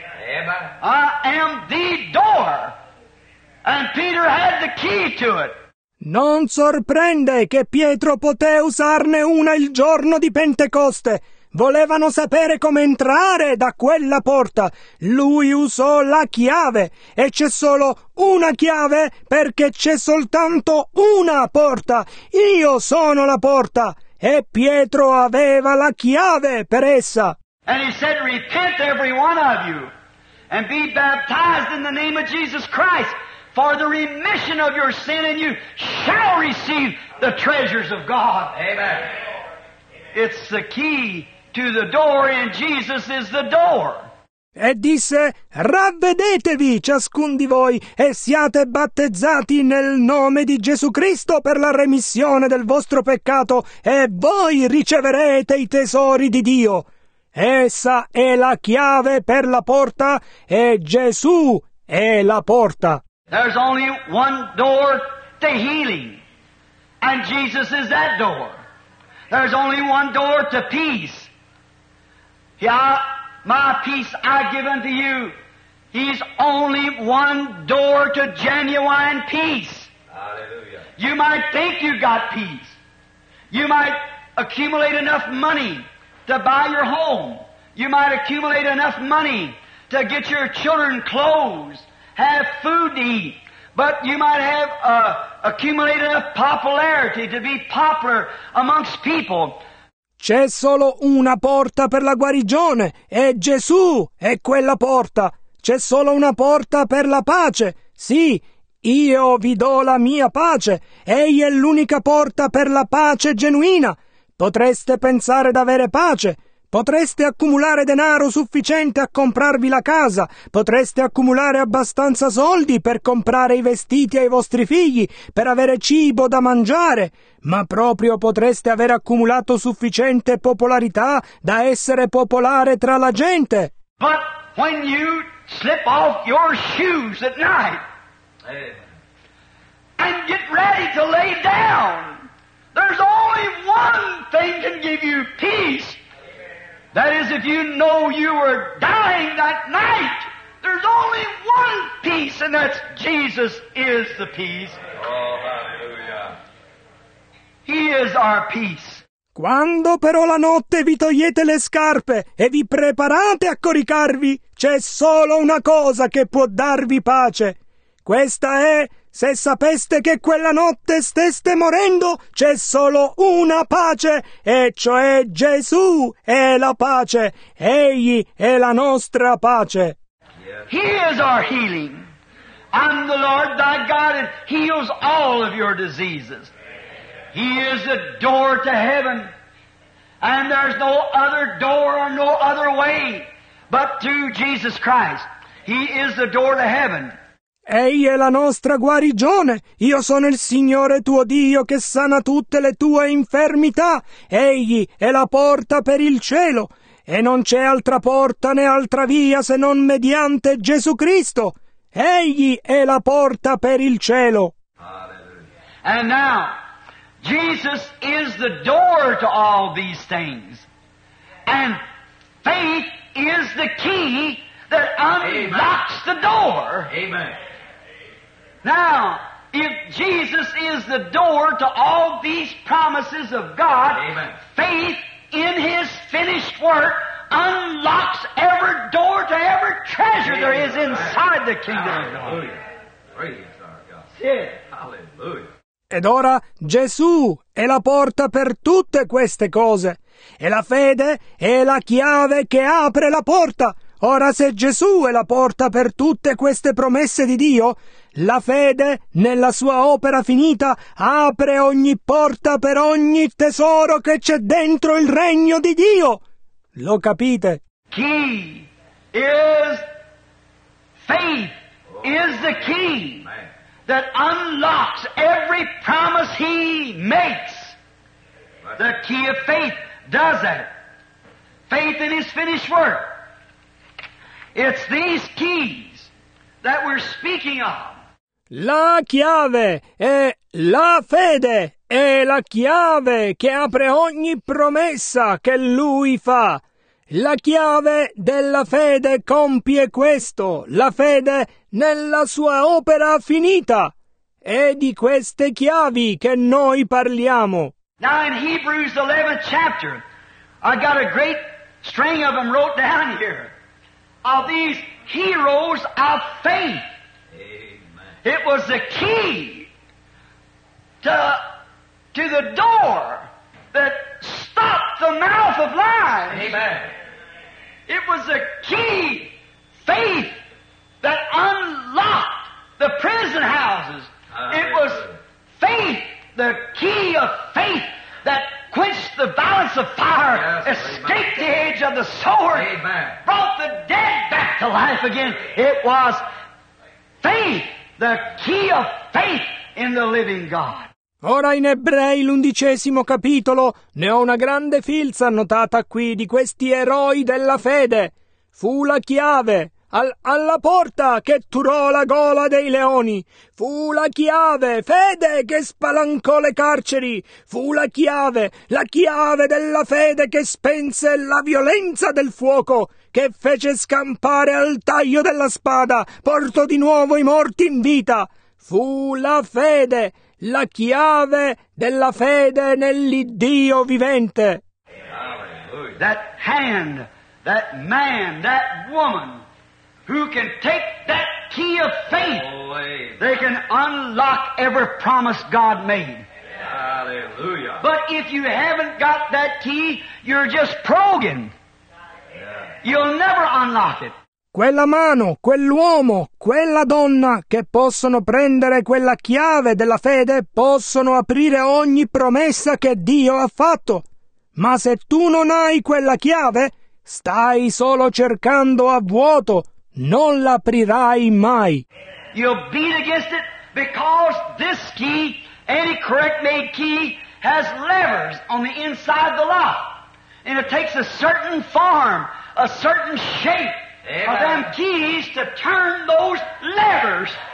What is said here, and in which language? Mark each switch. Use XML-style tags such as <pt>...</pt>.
<en>Amen. I am the door. And Peter had the key to it.</en> <it>Non sorprende che Pietro poté usarne una il giorno di Pentecoste. Volevano sapere come entrare da quella porta. Lui usò la chiave, e c'è solo una chiave perché c'è soltanto una porta. Io sono la porta, e Pietro aveva la chiave per essa.</it> <en>And he said, repent every one of you, and be baptized in the name of Jesus Christ for the remission of your sin, and you shall receive the treasures of God. Amen. It's the key to the door, and Jesus is the door.</en> <it>E disse, ravvedetevi ciascun di voi e siate battezzati nel nome di Gesù Cristo per la remissione del vostro peccato, e voi riceverete i tesori di Dio. Essa è la chiave per la porta, e Gesù è la porta.</it> <en>There's only one door to healing, and Jesus is that door. There's only one door to peace. Yeah, my peace I give unto you. He's only one door to genuine peace. Hallelujah. You might think you got peace. You might accumulate enough money to buy your home. You might accumulate enough money to get your children clothes, have food to eat, but you might have accumulated enough popularity to be popular amongst people.</en> <it>C'è solo una porta per la guarigione, e Gesù è quella porta. C'è solo una porta per la pace. Sì, io vi do la mia pace. Egli è l'unica porta per la pace genuina. Potreste pensare d'avere pace. Potreste accumulare denaro sufficiente a comprarvi la casa, potreste accumulare abbastanza soldi per comprare i vestiti ai vostri figli, per avere cibo da mangiare, ma proprio potreste aver accumulato sufficiente popolarità da essere popolare tra la gente.</it> <en>But when you slip off your shoes at night and get ready to lay down, there's only one thing can give you peace. That is, if you know you were dying that night, there's only one peace, and that's Jesus is the peace. Oh, hallelujah. He is our peace.</en> <it>Quando però la notte vi togliete le scarpe e vi preparate a coricarvi, c'è solo una cosa che può darvi pace. Questa è, se sapeste che quella notte steste morendo, c'è solo una pace, e cioè Gesù è la pace. Egli è la nostra pace.</it> <en>He is our healing. I'm the Lord thy God, and heals all of your diseases. He is the door to heaven, and there's no other door or no other way but through Jesus Christ. He is the door to heaven.</en> <it>Egli è la nostra guarigione. Io sono il Signore tuo Dio che sana tutte le tue infermità. Egli è la porta per il cielo. E non c'è altra porta né altra via se non mediante Gesù Cristo. Egli è la porta per il cielo.</it> <en>Hallelujah. And now, Jesus is the door to all these things. And faith is the key that unlocks the door. Amen. Now, if Jesus is the door to all these promises of God, amen, faith in His finished work unlocks every door to every treasure amen there is inside the kingdom of God. Praise our God. Hallelujah.</en> <it>Ed ora Gesù è la porta per tutte queste cose, e la fede è la chiave che apre la porta. Ora, se Gesù è la porta per tutte queste promesse di Dio, la fede, nella sua opera finita, apre ogni porta per ogni tesoro che c'è dentro il regno di Dio. Lo capite?</it> <en>Key is faith is the key that unlocks every promise He makes. The key of faith does that. Faith in His finished work. It's these keys that we're speaking of.</en> <it>La chiave è la fede, è la chiave che apre ogni promessa che Lui fa. La chiave della fede compie questo, la fede nella sua opera finita. è di queste chiavi che noi parliamo.</it> <en>Now in Hebrews 11th chapter, I got a great string of them wrote down here, of these heroes of faith. Amen. It was the key to the door that stopped the mouth of lies. Amen. It was the key faith that unlocked the prison houses. It was faith, the key of faith that quenched the violence of fire, yes, escaped the edge of the sword, amen, brought the dead back to life again. It was faith, the key of faith in the living God.</en> <it>Ora in Ebrei l'undicesimo capitolo ne ho una grande filza annotata qui di questi eroi della fede. Fu la chiave alla porta che turò la gola dei leoni. Fu la chiave fede che spalancò le carceri. Fu la chiave della fede che spense la violenza del fuoco, che fece scampare al taglio della spada, portò di nuovo i morti in vita. Fu la fede, la chiave della fede nell'Iddio vivente.</it> <en>That hand, that man, that woman who can take that key of faith, they can unlock every promise God made. Hallelujah. But if you haven't got that key, you're just proging. You'll never unlock it.</en> <it>Quella mano, quell'uomo, quella donna che possono prendere quella chiave della fede possono aprire ogni promessa che Dio ha fatto. Ma se tu non hai quella chiave, stai solo cercando a vuoto. Non l'aprirai mai.</it> <en>You'll beat against it because this key, any correct made key, has levers on the inside the lock. And it takes a certain form, a certain shape, amen, of them keys to turn those levers.</en>